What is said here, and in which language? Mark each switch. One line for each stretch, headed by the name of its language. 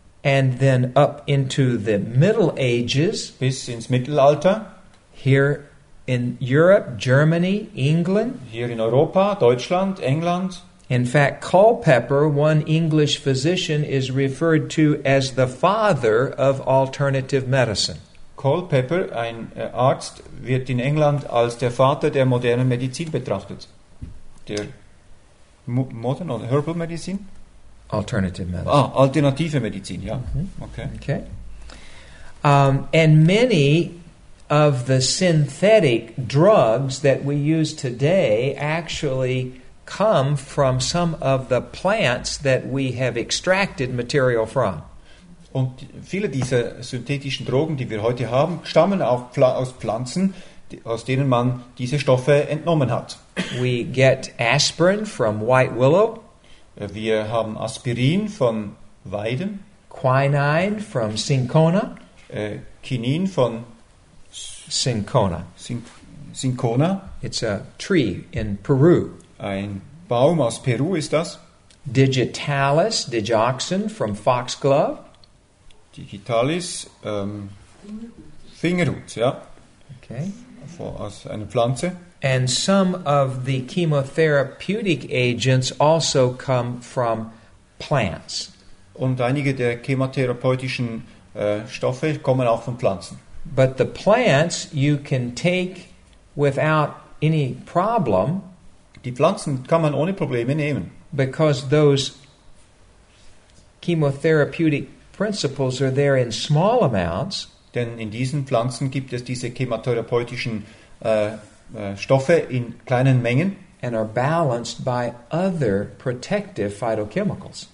English: and then up into the Middle Ages,
German: bis ins Mittelalter,
English: here in Europe, Germany, England,
German: hier in Europa, Deutschland, England.
English: In fact, Culpepper, one English physician, is referred to as the father of alternative medicine.
German: Culpepper, ein Arzt, wird in England als der Vater der modernen Medizin betrachtet. Der modern oder
English: herbal medicine? Alternative medicine.
German: Ah, alternative Medizin, ja. Mm-hmm. Okay. Okay.
English: And many of the synthetic drugs that we use today actually come from some of the plants that we have extracted material from.
German: Und viele dieser synthetischen Drogen, die wir heute haben, stammen auch aus Pflanzen, aus denen man diese Stoffe entnommen hat.
English: We get aspirin from white willow.
German: Wir haben Aspirin von Weiden.
English: Quinine from cinchona.
German: Quinin von cinchona.
English: Cinchona. It's a tree in Peru.
German: Ein Baum aus Peru ist das.
English: Digitalis, digoxin from foxglove.
German: Digitalis, Fingerhut, ja. Okay. Aus einer Pflanze.
English: And some of the chemotherapeutic agents also come from plants.
German: Und einige der chemotherapeutischen Stoffe kommen auch von Pflanzen.
English: But the plants you can take without any problem.
German: Die Pflanzen kann man ohne Probleme nehmen.
English: Because those chemotherapeutic principles are there in small amounts.
German: Denn in diesen Pflanzen gibt es diese chemotherapeutischen Stoffe in kleinen Mengen.
English: And are balanced by other protective phytochemicals.